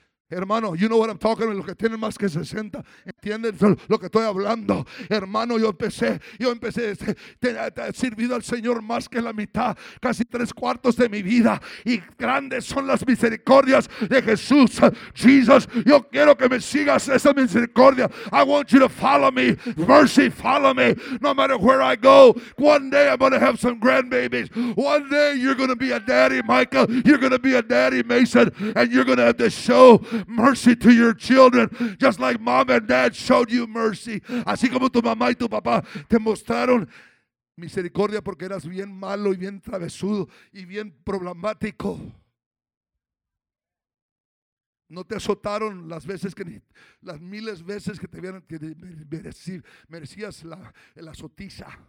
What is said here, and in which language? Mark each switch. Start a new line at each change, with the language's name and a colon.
Spanish: Hermano,
English: you know what I'm talking about,
Spanish: los que tienen más que 60, ¿entienden lo que estoy hablando? Hermano, yo empecé, he servido al Señor más que la mitad, casi tres cuartos de mi vida, y grandes son las misericordias de Jesús. Jesus, yo quiero que me sigas esa misericordia.
English: I want you to follow me, mercy, follow me, no matter where I go. One day I'm going to have some grandbabies. One day you're going to be a daddy, Michael, you're going to be a daddy, Mason, and you're going to have to show mercy to your children, just like mom and dad showed you mercy.
Spanish: Así como tu mamá y tu papá te mostraron misericordia porque eras bien malo y bien travesudo y bien problemático. No te azotaron las veces que ni, las miles veces que te vieron que merecías la azotiza.